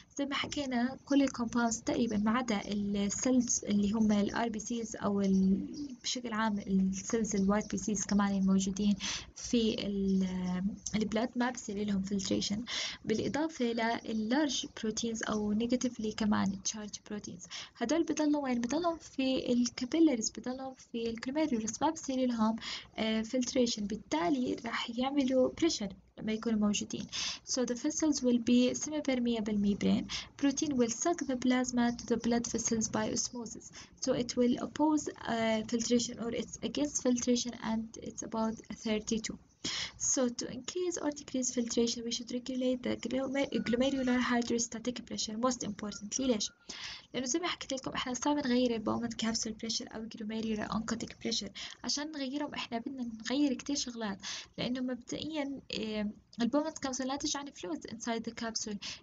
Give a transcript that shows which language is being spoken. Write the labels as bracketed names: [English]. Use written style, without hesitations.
[Arabic] زي ما حكينا كل الكومباوندز تقريبا ما عدا السيلز اللي هم الار بي سيز او بشكل عام السيلز الوايت بي سيز كمان الموجودين في البلاد ما بصير لهم فلتريشن بالاضافه لللارج بروتين او نيجاتيفلي كمان تشارج بروتينز. هدول بضلوا وين؟ بضلوا في الكابيلرز، بضلوا في الكلوميرولس ما بصير لهم فلتريشن، بالتالي راح يعملوا بريشر لما يكونوا موجودين. [English] So the vessels will be semi-permeable membrane. Protein will suck the plasma to the blood vessels by osmosis. So it will oppose filtration or it's against filtration and it's about 32. So to increase or decrease filtration we should regulate the glomerular hydrostatic pressure most importantly. [Arabic] ليش؟ لأنه زي ما حكيت لكم احنا صعب نغير البومن كابسول بريشر او glomerular oncotic بريشر. عشان نغيرهم احنا بدنا نغير كتير شغلات، لأنه مبدئيا البومن كابسول ناتج عن فلويدز [English] inside the capsule.